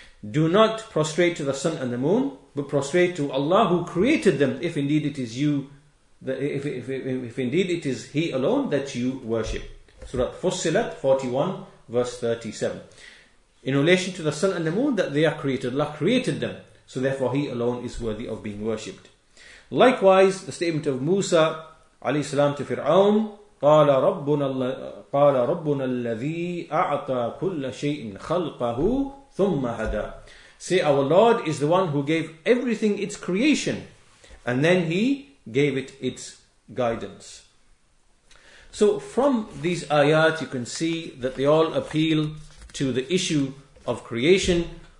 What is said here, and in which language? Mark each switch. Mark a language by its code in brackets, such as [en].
[en] Do not prostrate to the sun and the moon, but prostrate to Allah who created them, if indeed it is you, if indeed it is He alone that you worship. Surah Fussilat 41, verse 37. In relation to the sun and the moon, that they are created, Allah created them, so therefore He alone is worthy of being worshipped. Likewise, the statement of Musa [ar] عليه السلام [en] to Fir'aun, [ar] قال ربنا الذي أعطى كل شيء خلقه ثم هدى. [en] See, our Lord is the one who gave everything its creation, and then He gave it its guidance. So from these ayat, you can see that they all appeal to the issue of creation.